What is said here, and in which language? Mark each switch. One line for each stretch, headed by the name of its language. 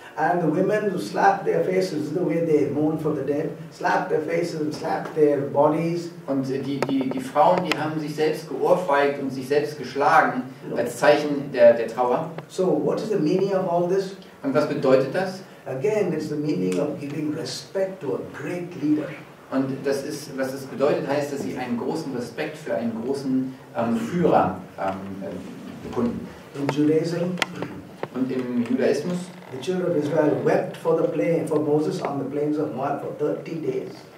English: And the women who slapped their faces, the way they mourn for the dead, slapped their faces and slapped their bodies.
German: Und die Frauen, die haben sich selbst geohrfeigt und sich selbst geschlagen als Zeichen der Trauer.
English: So what is the meaning of all this?
German: Und was bedeutet das?
English: Again, it's the meaning of giving respect to a great leader.
German: Und das ist, was es bedeutet, heißt, dass sie einen großen Respekt für einen großen Führer bekunden.
English: In Judaism.
German: Und im Judaismus.
English: The children of Israel wept for the plain for Moses on the plains of Moab for 30 days.